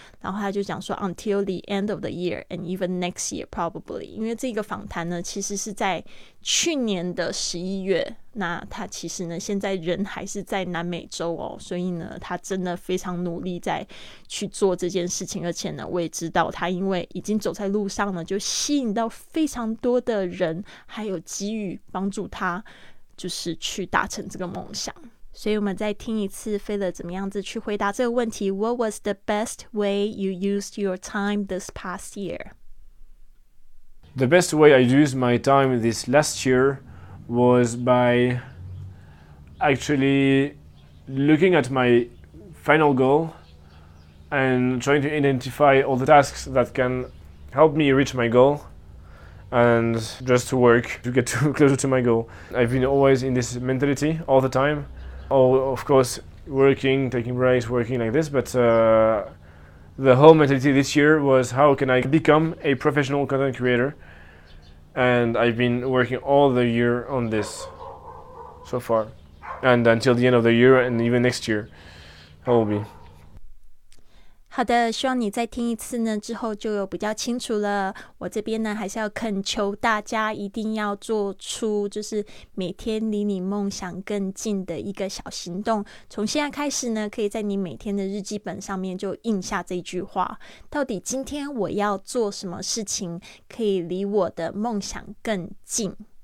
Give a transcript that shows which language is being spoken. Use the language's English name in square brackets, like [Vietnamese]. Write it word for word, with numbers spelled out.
[Chinese] 然后他就讲说 [English] until the end of the year and even next year probably， [Chinese] 因为这个访谈呢其实是在去年的十一月，那他其实呢现在人还是在南美洲哦，所以呢他真的非常努力在去做这件事情，而且呢我也知道他因为已经走在路上呢，就吸引到非常多的人还有给予帮助他就是去达成这个梦想，所以我们再听一次菲勒怎么样子去回答这个问题。 [English] What was the best way you used your time this past year? The best way I used my time this last year was by actually looking at my final goal and trying to identify all the tasks that can help me reach my goal and just to work to get to closer to my goal. I've been always in this mentality all the time. Oh, of course, working, taking breaks, working like this, but uh, the whole mentality this year was how can I become a professional content creator? And I've been working all the year on this so far. And until the end of the year and even next year, I will be. [Chinese] 好的，希望你再听一次呢之后就有比较清楚了。我这边呢还是要恳求大家一定要做出就是每天离你梦想更近的一个小行动。从现在开始呢，可以在你每天的日记本上面就印下这句话，到底今天我要做什么事情可以离我的梦想更近。